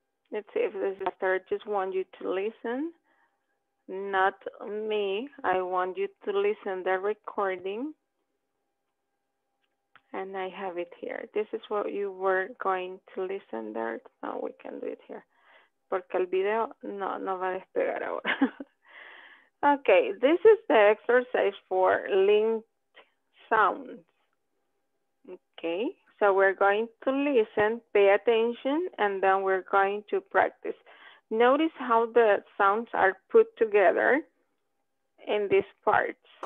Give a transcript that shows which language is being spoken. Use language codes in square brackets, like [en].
[en] Let's see if this is better. I just want you to listen, not me. I want you to listen the recording. And I have it here. This is what you were going to listen there. No, we can do it here. [es] Porque el video no va a despegar ahora. [en] Okay, this is the exercise for linked sounds. Okay, so we're going to listen, pay attention, and then we're going to practice. Notice how the sounds are put together in these parts.